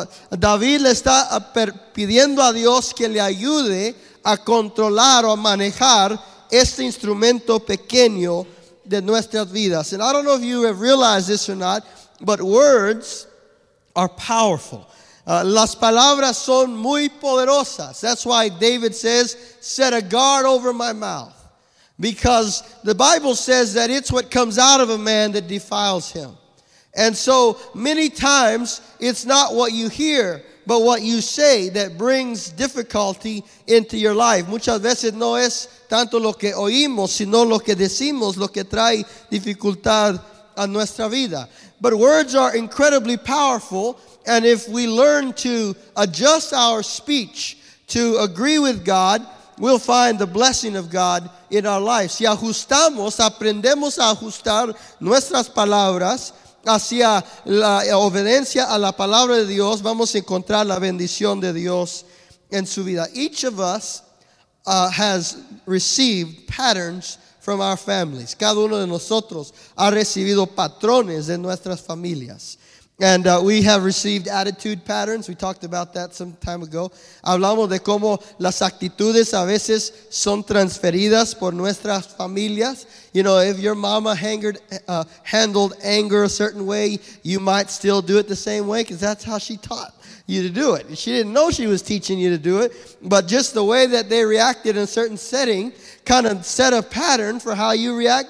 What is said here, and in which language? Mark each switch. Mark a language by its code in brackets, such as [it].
[es] David le está pidiendo a Dios que le ayude a controlar o a manejar este instrumento pequeño de nuestras vidas. [en] And I don't know if you have realized this or not, but words are powerful. [es] Las palabras son muy poderosas. [en] That's why David says, set a guard over my mouth. Because the Bible says that it's what comes out of a man that defiles him. And so many times it's not what you hear, but what you say that brings difficulty into your life. [es] Muchas veces no es tanto lo que oímos, sino lo que decimos, lo que trae dificultad a nuestra vida. [en] But words are incredibly powerful, and if we learn to adjust our speech to agree with God, we'll find the blessing of God in our lives. [es] Si ajustamos, aprendemos a ajustar nuestras palabras hacia la obediencia a la palabra de Dios, vamos a encontrar la bendición de Dios en su vida. [en] Each of us has received patterns from our families. [es] Cada uno de nosotros ha recibido patrones de nuestras familias. [en] And we have received attitude patterns. We talked about that some time ago. [es] Hablamos de cómo las actitudes a veces son transferidas por nuestras familias. [en] You know, if your mama handled anger a certain way, you might still do it the same way because that's how she taught you to do it. She didn't know she was teaching you to do it, but just the way that they reacted in a certain setting kind of set a pattern for how you react.